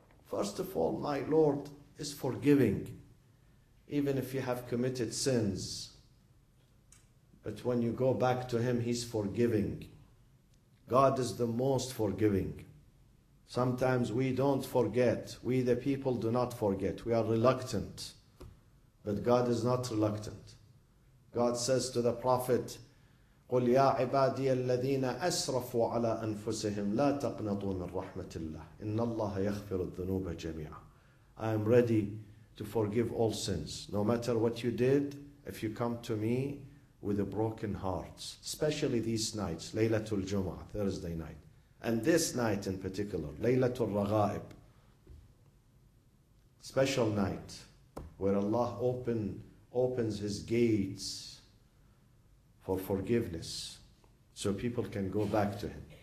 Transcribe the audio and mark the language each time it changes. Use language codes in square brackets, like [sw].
[en] First of all, my Lord is forgiving, even if you have committed sins. But when you go back to Him, He's forgiving. God is the most forgiving. Sometimes we don't forget. We the people do not forget. We are reluctant. But God is not reluctant. [ar] God says to the Prophet, قُلْ يَا عِبَادِيَ الَّذِينَ أَسْرَفُوا عَلَىٰ أَنفُسِهِمْ لَا تَقْنَطُوا مِنْ رَحْمَةِ اللَّهِ إِنَّ اللَّهَ يَخْفِرُ الذُّنُوبَ جَمِيعًا. [en] I am ready to forgive all sins. No matter what you did, if you come to me with a broken heart, especially these nights, Laylatul Jum'ah, Thursday night, and this night in particular, Laylatul Raghaib, special night where Allah opens His gates for forgiveness so people can go back to Him.